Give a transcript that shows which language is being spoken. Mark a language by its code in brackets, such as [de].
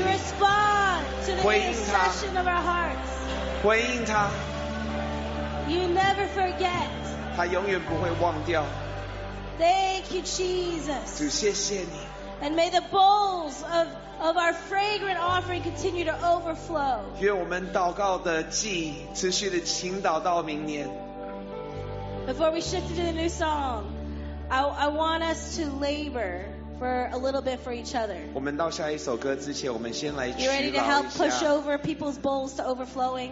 [en] You respond to the intercession of our hearts. [zh] 回应他。 [en] You never forget. [zh] 他永远不会忘掉。 [en] Thank you, Jesus. [zh] 主, 谢谢你。 [en] And may the bowls of our fragrant offering continue to overflow. [zh] 愿我们祷告的祭持续地倾倒到明年。 [en] Before we shift into the new song, I want us to labor for a little bit for each other. [zh] 我们到下一首歌之前，我们先来祈祷一下。 [en] You ready to help push over people's bowls to overflowing?